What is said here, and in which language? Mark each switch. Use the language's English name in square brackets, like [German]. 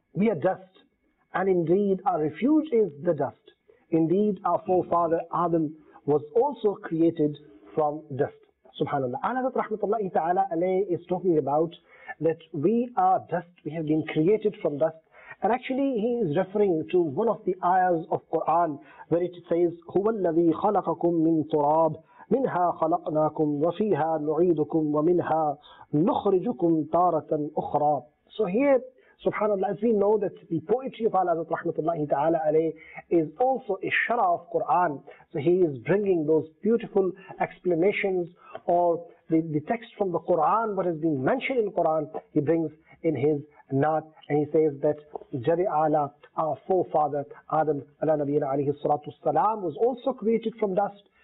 [English] We are dust, and indeed our refuge is the dust. Indeed our forefather Adam was also created from dust. Subhanallah. Al Hazrat Rahmatullahi Ta'ala alayh is talking about that we are dust, we have been created from dust. And actually, he is referring to one of the ayahs of Quran where it says, [Arabic] هو الذي خلقكم من تراب منها خلقناكم وفيها نعيدكم ومنها نخرجكم تارة أخرى. [English] So here, subhanAllah, as we know that the poetry of Allah Rahmatullahi Ta'ala alayh is also a shara of Quran. So he is bringing those beautiful explanations or the text from the Quran, what has been mentioned in Quran, he brings in his Naat, and he says that Jari Ala, our forefather Adam ala Nabiyyina alayhi salatu salam, was also created from dust.